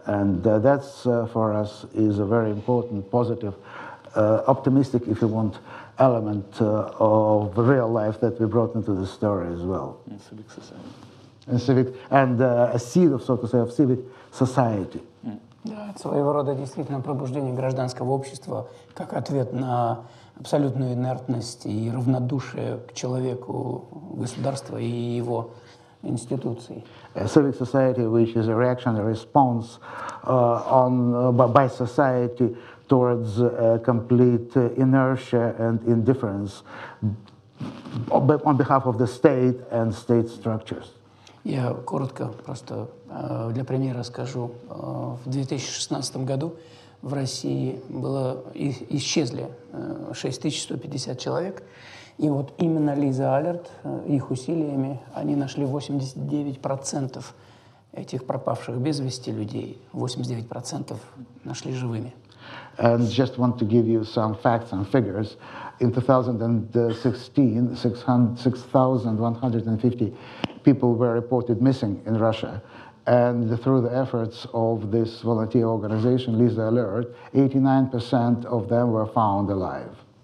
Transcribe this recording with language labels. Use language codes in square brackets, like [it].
[en] And that's for us is a very important, positive, optimistic, if you want, element of real life that we brought into the story as well. In civic society. And a seed of, so to say, of civic society. [ru] Да, своего рода действительно пробуждение гражданского общества как ответ на абсолютную инертность и равнодушие к человеку, государству и его институции. A civic society, which is a reaction, a response by society towards complete inertia and indifference on behalf of the state and state structures. Я коротко просто для примера скажу. В 2016 году в России исчезли 6150 человек. И вот именно Лиза Алерт, их усилиями, они нашли 89% этих пропавших без вести людей. 89% нашли живыми. [en] And just want to give you some facts and figures. In 2016, 6,150 people were reported missing in Russia. And through the efforts of this volunteer organization, Lisa Alert, 89% of them were found alive.